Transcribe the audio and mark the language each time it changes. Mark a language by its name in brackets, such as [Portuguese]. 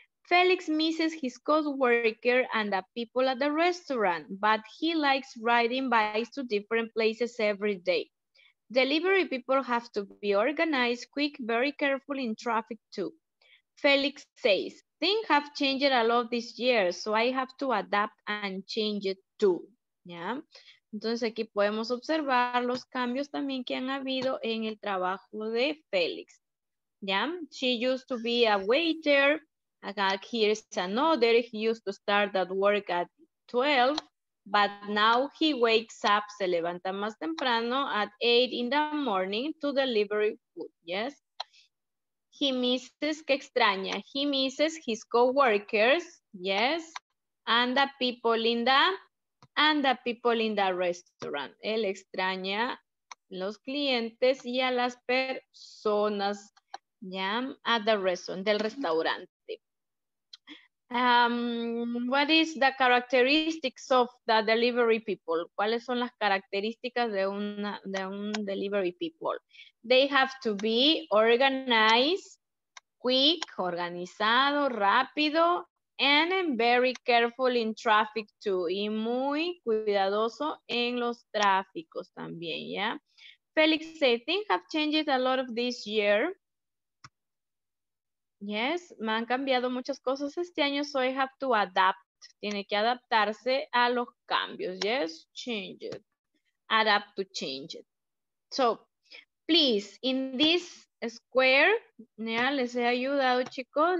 [English] Félix misses his co-worker and the people at the restaurant, but he likes riding bikes to different places every day. Delivery people have to be organized, quick, very careful in traffic too. Félix says, things have changed a lot this year, so I have to adapt and change it too. Yeah? [Spanish] Entonces aquí podemos observar los cambios también que han habido en el trabajo de Félix. [English] ¿Ya? She used to be a waiter. Here's another. He used to start at work at 12, but now he wakes up, [Spanish] se levanta más temprano, [English] at 8 in the morning to deliver food. Yes? He misses, [Spanish] qué extraña, [English] he misses his co-workers. Yes? And the people in the... And the people in the restaurant. [Spanish] Él extraña los clientes y a las personas, ¿ya? [English] At the restaurant, [Spanish] del restaurante. [English] What is the characteristics of the delivery people? [Spanish] ¿Cuáles son las características de un delivery people? [English] They have to be organized, quick, [Spanish] organizado, rápido. [English] And very careful in traffic too. [Spanish] Y muy cuidadoso en los tráficos también, ¿ya? [English] Félix said, things have changed a lot of this year. [Spanish] Yes, me han cambiado muchas cosas este año, [English] so I have to adapt. [Spanish] Tiene que adaptarse a los cambios, yes? [English] Change it. Adapt to change it. So, please, in this square, [Spanish] ya les he ayudado, chicos.